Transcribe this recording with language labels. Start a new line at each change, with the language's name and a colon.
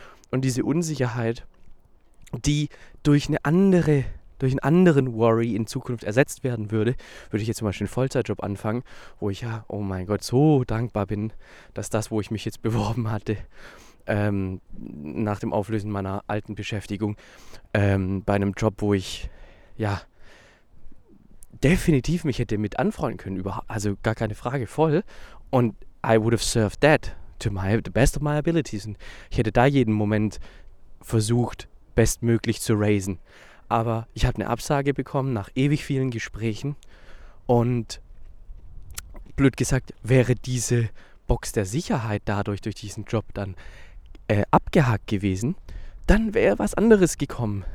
German: Und diese Unsicherheit, die durch einen anderen Worry in Zukunft ersetzt werden würde, würde ich jetzt zum Beispiel einen Vollzeitjob anfangen, wo ich ja, oh mein Gott, so dankbar bin, dass das, wo ich mich jetzt beworben hatte, nach dem Auflösen meiner alten Beschäftigung, bei einem Job, wo ich, ja, definitiv mich hätte mit anfreunden können, also gar keine Frage, voll.
English: Und I would have served that to the best of my abilities.
German: Und ich hätte da jeden Moment versucht, bestmöglich zu raisen. Aber ich habe eine Absage bekommen nach ewig vielen Gesprächen. Und blöd gesagt, wäre diese Box der Sicherheit dadurch, durch diesen Job dann abgehakt gewesen, dann wäre was anderes gekommen.